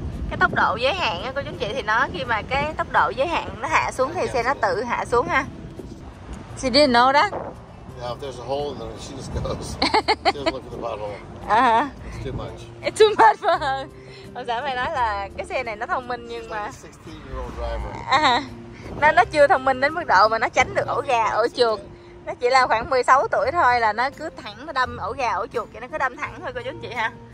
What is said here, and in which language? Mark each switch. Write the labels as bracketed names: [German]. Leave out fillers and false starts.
[Vietnamese] cái tốc độ giới hạn của chúng chị thì nó khi mà cái tốc độ giới hạn nó hạ xuống thì xe nó tự hạ xuống ha. [English] She didn't know that. Yeah, if there's a hole in there, she just goes. She doesn't look at the bottle. It's too much. It's too much for her. [Vietnamese] Hồi sáng mày nói là cái xe này nó thông minh nhưng mà [English] 16-year-old driver. [Vietnamese] Nó chưa thông minh đến mức độ mà nó tránh được ổ gà, ổ chuột. Nó chỉ là khoảng 16 tuổi thôi là nó cứ thẳng nó đâm ổ gà, ổ chuột vậy, nó cứ đâm thẳng thôi cô chú chị ha.